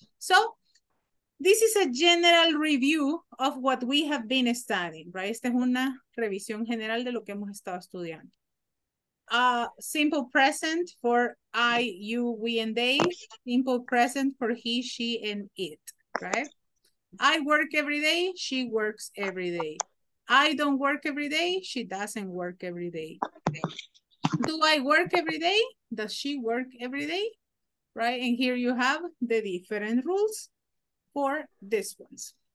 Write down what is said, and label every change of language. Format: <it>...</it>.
<en>So, this is a general review of what we have been studying, right?</en> <es>Esta es una revisión general de lo que hemos estado estudiando.</es> <en>Simple present for I, you, we, and they. Simple present for he, she, and it, right? I work every day, she works every day. I don't work every day, she doesn't work every day. Do I work every day? Does she work every day? Right, and here you have the different rules for these ones.</en>